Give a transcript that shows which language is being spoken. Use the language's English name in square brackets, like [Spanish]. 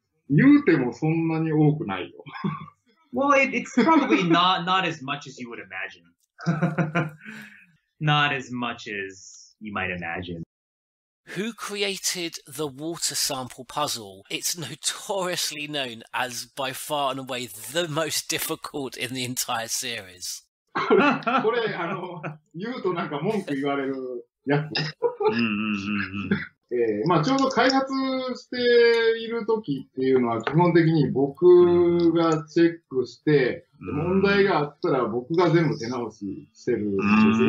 [Japanese] 言うてもそんなに多くないよ。 [English] Well, it's probably not as much as you would imagine. Not as much as you might imagine. Who created the water sample puzzle? It's notoriously known as by far and away the most difficult in the entire series. [Japanese] これ、あの、言うとなんか文句言われるやつ。まあ、ちょうど開発している時っていうのは基本的に僕がチェックして、問題があったら僕が全部手直ししてるんですよ。